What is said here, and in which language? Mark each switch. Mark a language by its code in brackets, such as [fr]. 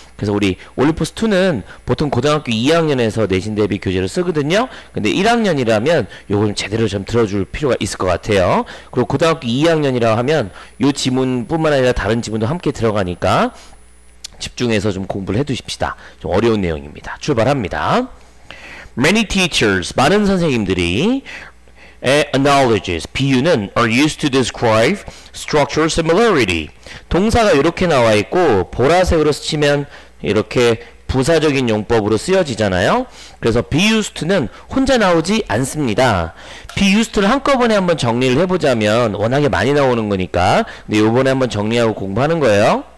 [ko] 그래서 우리 올림포스 2는 보통 고등학교 2학년에서 내신 대비 교재를 쓰거든요. 근데 1학년이라면 요걸 좀 제대로 좀 들어줄 필요가 있을 것 같아요. 그리고 고등학교 2학년이라 하면 요 지문뿐만 아니라 다른 지문도 함께 들어가니까 집중해서 좀 공부를 해두십시다. 좀 어려운 내용입니다. 출발합니다. [en] Many teachers, [ko] 많은 선생님들이 [en] analogies, [ko] 비유는 [en] are used to describe structural similarity. [ko] 동사가 이렇게 나와 있고 보라색으로 쓰면 이렇게 부사적인 용법으로 쓰여지잖아요. 그래서 be used to는 혼자 나오지 않습니다. be used to를 한꺼번에 한번 정리를 해보자면 워낙에 많이 나오는 거니까 근데 이번에 한번 정리하고 공부하는 거예요.